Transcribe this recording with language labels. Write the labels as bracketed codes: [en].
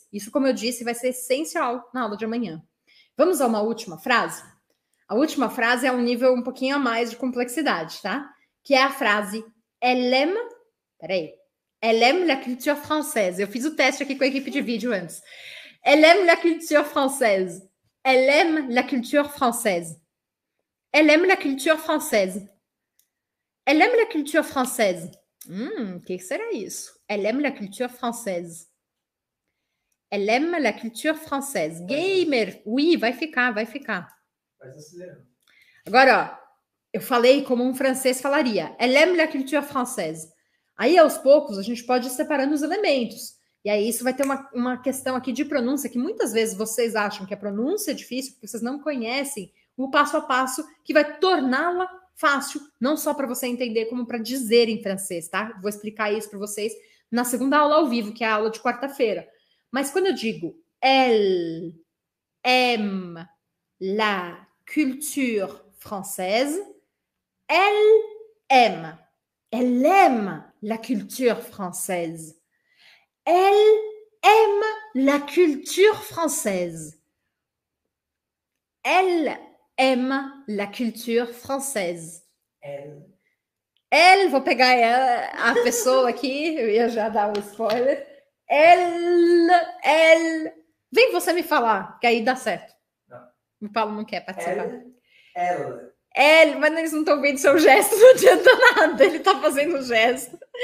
[pt] Isso, como eu disse, vai ser essencial na aula de amanhã. Vamos a uma última frase? A última frase é um nível um pouquinho a mais de complexidade, tá? Que é a frase [fr] elle aime, [pt] peraí, [fr] elle aime la culture française. [pt] Eu fiz o teste aqui com a equipe de vídeo antes. [fr] Elle aime la culture française. Elle aime la culture française. Elle aime la culture française. Elle aime la culture française. [pt] Que será isso? [fr] Elle aime la culture française. Elle aime la culture française. [pt] Gamer. Oui, vai ficar, vai ficar. Agora, ó, eu falei como um francês falaria. [fr] Elle aime la culture française. [pt] Aí, aos poucos, a gente pode ir separando os elementos. E aí, isso vai ter uma questão aqui de pronúncia, que muitas vezes vocês acham que a pronúncia é difícil, porque vocês não conhecem o passo a passo que vai torná-la fácil, não só para você entender, como para dizer em francês, tá? Vou explicar isso para vocês na segunda aula ao vivo, que é a aula de quarta-feira. Mas quando eu digo [fr] elle aime la culture française, elle aime. Elle aime la culture française. Elle aime la culture française. Elle aime la culture française. Elle. [pt] Vou pegar a pessoa aqui, eu ia já dar um spoiler. Elle. Vem você me falar, que aí dá certo. O Paulo não quer participar. Ela. Mas eles não estão vendo seu gesto, não adianta nada. Ele está fazendo um gesto.